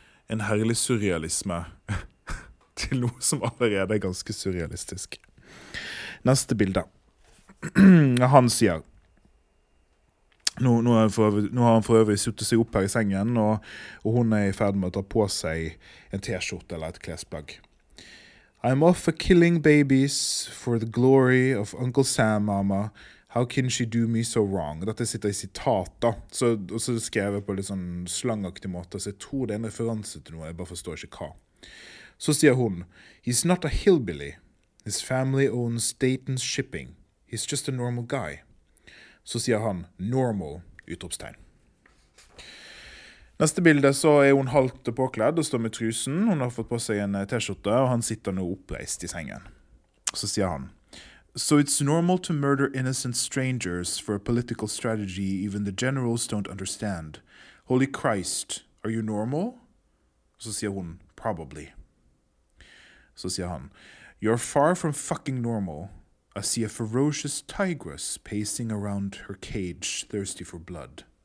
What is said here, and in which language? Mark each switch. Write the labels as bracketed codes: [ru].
[no] En herlig surrealisme til noe som allerede er ganske surrealistisk. Neste bilde. han sier, nå har han for øvrig suttet seg opp her I sengen, og hun I ferd med å ta på seg en t-skjorte eller et klesplagg. [en] I'm off for killing babies for the glory of Uncle Sam, mama. How can she do me so wrong? [no] Dette sitter I sitat da, så, og så skrev jeg på litt sånn slangaktig måte, så jeg tror det en referanse til noe, jeg bare forstår ikke hva. Så sier hun, [en] he's not a hillbilly. His family owns Dayton's Shipping. He's just a normal guy. [no] Så sier han, [en] normal, [no] utropstegn. Neste bilde så hun halvt påkledd og står med trusen. Hun har fått på seg en t-skjorte, og han sitter nå oppreist I sengen. Så sier han, [en] so it's normal to murder innocent strangers for a political strategy even the generals don't understand. Holy Christ, are you normal? [no] Så sier hun, [en] probably. [no] Så sier han, [en] you're far from fucking normal. I see a ferocious tigress pacing around her cage, thirsty for blood.